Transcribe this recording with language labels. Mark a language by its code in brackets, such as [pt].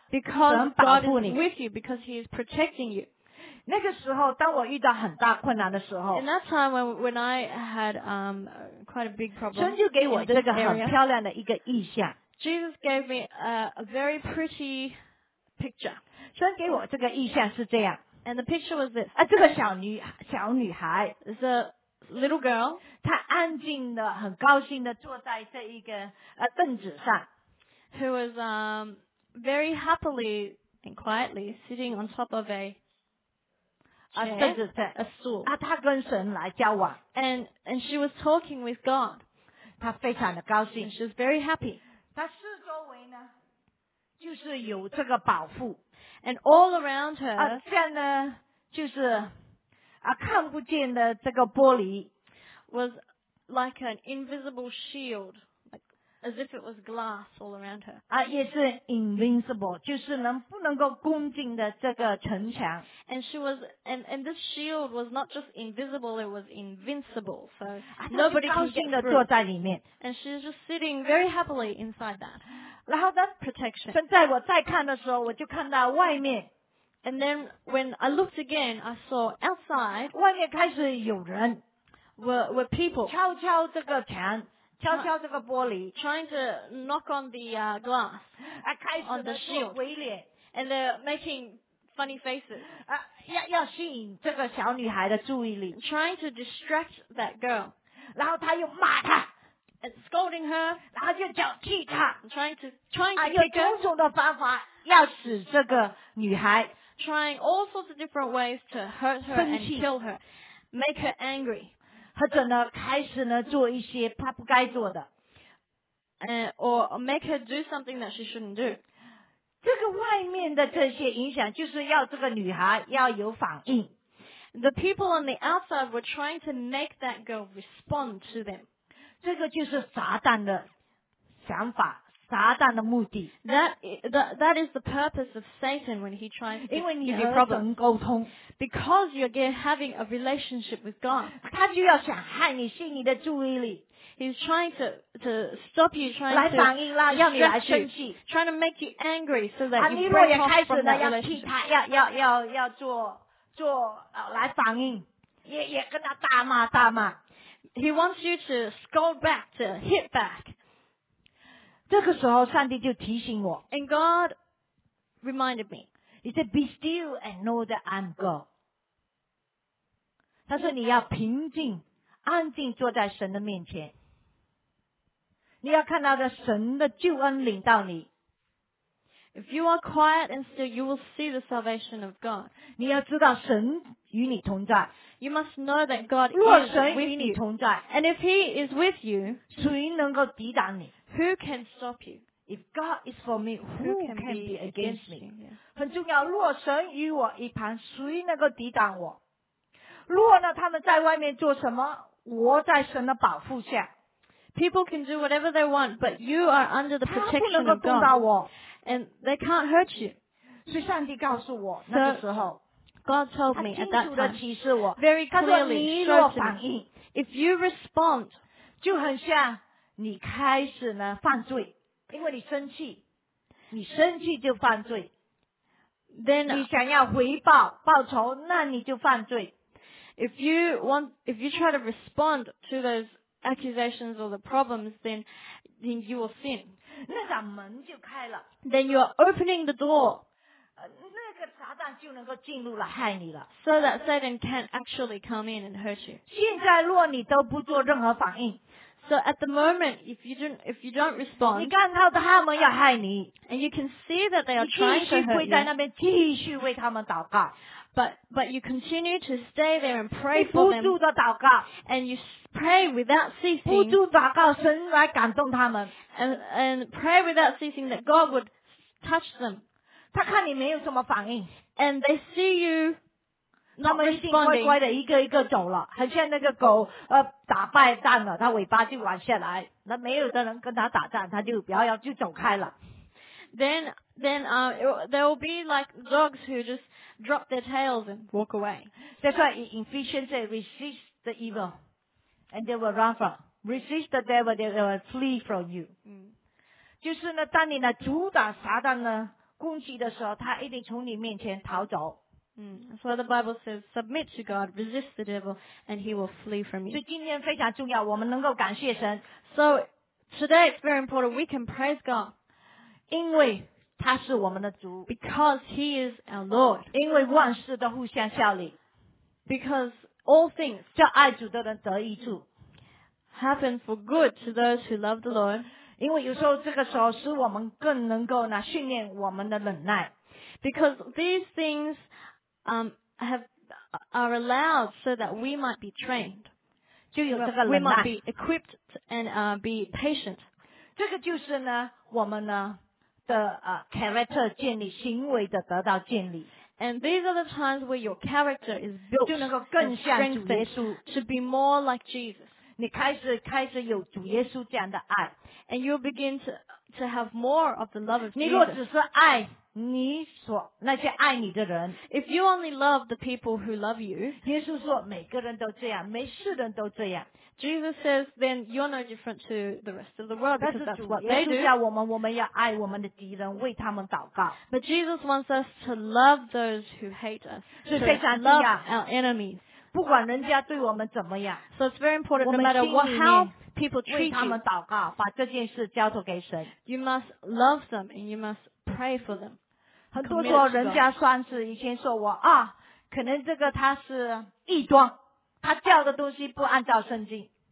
[en] Because God is with you, because He is protecting you. [zh] 那个时候，当我遇到很大困难的时候 [en] ，In that time when I had quite a big problem, [zh] 神就给我这个很漂亮的一个意象。 [en] Jesus gave me a very pretty picture. [zh] 神给我这个意象是这样。 [en] And the picture was this. [zh] 啊，这个小女孩 [en] is a little girl. [zh] 她安静的、很高兴的坐在这一个凳子上。 [en] Who was very happily and quietly sitting on top of a stool. [zh] 啊，他跟神来交往。 [en] And she was talking with God. [zh] 他非常的高兴。 [en] And she was very happy. [zh] 他四周围呢，就是有这个宝库。 [en] And all around her. [zh] 啊，这样呢，就是啊，看不见的这个玻璃。 [en] Was like an invisible shield. As if it was glass all around her. [zh] 啊，也是 invincible， 就是能不能够攻进的这个城墙。 [en] And she was, and this shield was not just invisible, it was invincible. So nobody can get through. [zh] 高兴地坐在里面。 [en] And she's just sitting very happily inside that. [zh] 然后 [en] that protection. [zh] 现在我再看的时候，我就看到外面。 [en] And then when I looked again, I saw outside. [zh] 外面开始有人。 [en] Were people. [zh] 敲敲这个墙。敲敲这个玻璃 [en] ，trying to knock on the glass， [zh] 啊，开始的做鬼脸 [en] ，and they're making funny faces， [zh] 啊，要吸引这个小女孩的注意力 [en] ，trying to distract that girl， [zh] 然后他又骂她 [en] ，and scolding her， [zh] 然后就叫踢她 [en] ，trying to [zh] 啊，用种种的方法要使这个女孩 [en] ，trying all sorts of different ways to hurt her and kill her， make her angry。 [zh] 或者呢，开始呢做一些她不该做的 [en] ，or make her do something that she shouldn't do。 [zh] 这个外面的这些影响，就是要这个女孩要有反应。 [en] The people on the outside were trying to make that girl respond to them。 [zh] 这个就是撒旦的想法，撒旦的目的。 [en] That is the purpose of Satan when he tries to give you problems. [zh] 因为你和神沟通。 [en] Because you're having a relationship with God. [zh] 他就要想害你，吸你的注意力。 [en] He's trying to stop you, trying to [zh] 来反应啦，要你来生气。 [en] Trying to make you angry so that you break off from that relationship. [zh] 你若也开始呢，要替他，要做来反应，也跟他大骂。 [en] He wants you to scold back, to hit back. [zh] 这个时候上帝就提醒我 [en] And God reminded me. He said, be still and know that I'm God. [zh] 他说你要平静安静坐在神的面前。你要看到的神的救恩领到你。 [en] If you are quiet and still, you will see the salvation of God. [zh] 你要知道神与你同在。 [en] You must know that God is with you. And if He is with you, [zh] 谁能够抵挡你？ [en] Who can stop you? If God is for me, who can be against me? Yeah. [zh] 很重要，若神与我一旁，谁能够抵挡我？若呢，他们在外面做什么，我在神的保护下。 [en] People can do whatever they want, but you are under the protection of God. [zh] 他不能够动到我。 [en] And they can't hurt you. [zh] 所以上帝告诉我，那个时候。 [en] God told me at that time. [zh] 他清楚地启示我。 [en] Very clearly, [zh] 你若反应。 [en] If you respond, [zh] 就很像。你开始呢犯罪，因为你生气，你生气就犯罪。 [en] Then [zh] 你想要回报报仇，那你就犯罪。 [en] If you try to respond to those accusations or the problems, then you will sin. [zh] 那个门就开了。 [en] Then you are opening the door. [zh] 那个撒旦撒旦就能够进入了害你了。 [en] So that Satan can't actually come in and hurt you. [zh] 现在若你都不做任何反应。 [en] So at the moment, if you don't respond, [zh] 你看到他们要害你。 [en] And you can see that they are trying to hurt you. [zh] 你继续跪在那边继续为他们祷告。 [en] But you continue to stay there and pray for them. [zh] 你不住的祷告。 [en] And you pray without ceasing. [zh] 不住祷告神来感动他们。 [en] And pray without ceasing that God would touch them. [zh] 他看你没有什么反应 [en] ，and they see you not responding. [zh] 他们一定乖乖的一个一个走了，很像那个狗打败仗了，它尾巴就弯下来，那没有的人跟他打仗，他就摇摇就走开了。 [en] Then there will be like dogs who just drop their tails and walk away. That's why in Ephesians say resist the evil, and they will run from. Resist the devil, they will flee from you. [zh] 就是呢，当你呢阻挡撒旦呢。攻击的时候，他一定从你面前逃走。 [en] So the Bible says, submit to God, resist the devil, and he will flee from you. [zh] 所以今天非常重要，我们能够感谢神。 [en] So today it's very important we can praise God, [zh] 因为他是我们的主。 [en] Because he is our Lord. [zh] 因为万事都互相效力。 [en] Because all things [zh] 叫爱主的人得益处。 [en] Happen for good to those who love the Lord. [zh] 因为有时候这个时候使我们更能够呢训练我们的忍耐 [en] ，because these things are allowed so that we might be trained， [zh] 就有这个忍耐 [en] ，we might be equipped and be patient。 [zh] 这个就是呢我们呢的character 建立，行为的得到建立。 [en] And these are the times where your character is built， [zh] 就能够更像主耶稣 [en] ，to be more like Jesus。 [zh] 你开始有主耶稣这样的爱 [en] ，and you begin to have more of the love of Jesus. [zh] 你若只是爱你所那些爱你的人 [en] ，if you only love the people who love you， [zh] 耶稣说每个人都这样，每世人都这样。 [en] Jesus says, then you're no different to the rest of the world because that's what they do. [zh] 耶稣叫我们要爱我们的敌人，为他们祷告。 [en] But Jesus wants us to love those who hate us. [zh] 是非常重要。 [en] Love our enemies. [zh] 不管人家对我们怎么样 [en] ，So it's very important no matter what how people treat you. [zh] 为他们祷告，把这件事交托给神。 [en] You must love them and you must pray for them. [zh] 很多时候人家算是以前说我啊，可能这个他是异端，他教的东西不按照圣经。